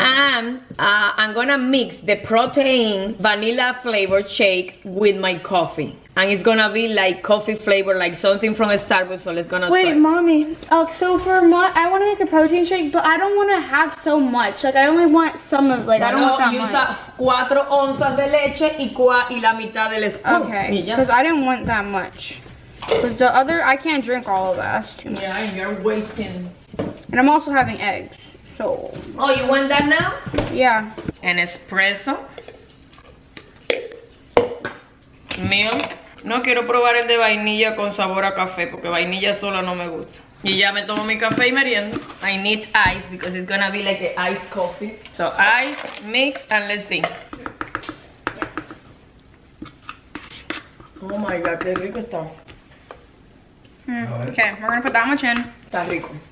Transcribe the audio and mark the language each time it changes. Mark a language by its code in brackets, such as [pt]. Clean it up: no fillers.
[en] And I'm going to mix the protein vanilla flavor shake with my coffee. And it's going to be like coffee flavor, like something from a Starbucks. So let's go. Wait, mommy. So for my, I want to make a protein shake, but I don't want to have so much. Like, I only want some of, like, I don't want that much. [es] Usa 4 onzas de leche y la mitad del [en] scoop. Okay. Because I didn't want that much. Because the other, I can't drink all of that. That's too much. Yeah, you're wasting. And I'm also having eggs, so. Oh, you want that now? Yeah. An espresso. Milk. [es] No quiero probar el de vainilla con sabor a café, porque vainilla sola no me gusta. Y ya me tomo mi café y merienda. [en] I need ice, because it's gonna be like an iced coffee. So ice, mix, and let's see. Oh my God, [es] qué rico está. [en] Mm. Okay, we're gonna put that much in. [es] Está rico.